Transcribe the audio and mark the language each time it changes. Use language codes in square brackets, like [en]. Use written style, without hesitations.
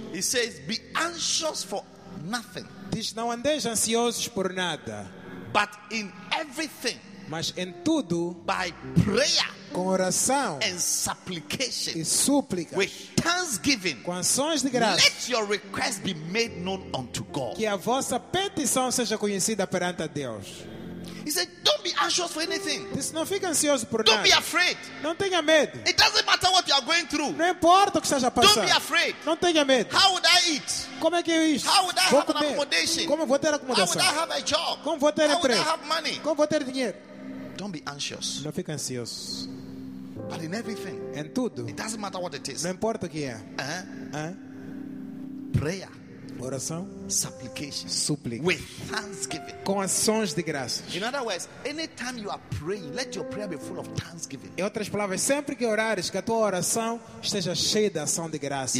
[en] He says, "Be anxious for nothing." [pt] Diz, não andeis ansiosos por nada. [en] But in everything. [pt] Mas em tudo. [en] By prayer. [pt] Com oração. [en] And supplication. [pt] E súplicas. [en] With thanksgiving. [pt] Com ações de graças. [en] Let your request be made known unto God. [pt] Que a vossa petição seja conhecida perante a Deus. [en] He said, "Don't be anxious for anything. [pt] Não fique ansioso por nada. [en] Don't be afraid. [pt] Não tenha medo. [en] It doesn't matter what you are going through. [pt] Não importa o que esteja passando. [en] Don't be afraid. [pt] Não tenha medo. [en] How would I eat? [pt] Como é que eu isto? [en] How would I [pt] vou [en] have [pt] comer? [en] An accommodation? [pt] Como vou ter acomodação? [en] How would I have a job? [pt] Como vou ter [en] How [pt] emprego? [en] Would I have money? [pt] Como vou ter dinheiro? [en] Don't be anxious. [pt] Não fique ansioso. [en] But in everything, [pt] em tudo, [en] it doesn't matter what it is. [pt] Não importa o que é. [en] Prayer. [pt] Oração, [en] supplication, [pt] súplica, [en] with thanksgiving, [pt] com ações de graças. [en] In other words, anytime you are praying, let your prayer be full of thanksgiving. [pt] Em outras palavras, sempre que orares, que a tua oração esteja cheia de ação de graças.